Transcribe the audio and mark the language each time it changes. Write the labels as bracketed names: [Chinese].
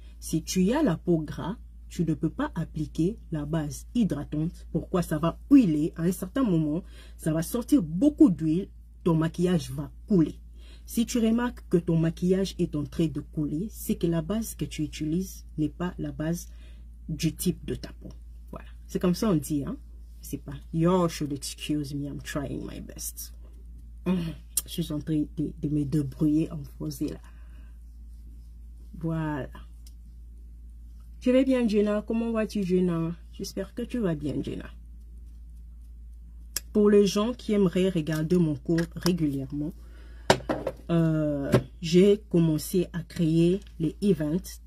[French] Si tu as la peau grasse, tu ne peux pas appliquer la base hydratante. Pourquoi? Ça va huiler à un certain moment. Ça va sortir beaucoup d'huile. Ton maquillage va couler. Si tu remarques que ton maquillage est en train de couler, c'est que la base que tu utilises n'est pas la base du type de ta peau. Voilà. C'est comme ça on dit, hein? C'est pas. [English] You should excuse me, I'm trying my best. [French] Je suis en train de me débrouiller en français là. Voilà. Tu vas bien, Jenna? Comment vas-tu, Jenna? J'espère que tu vas bien, Jenna. Pour les gens qui aimeraient regarder mon cours régulièrement, j'ai commencé à créer les events.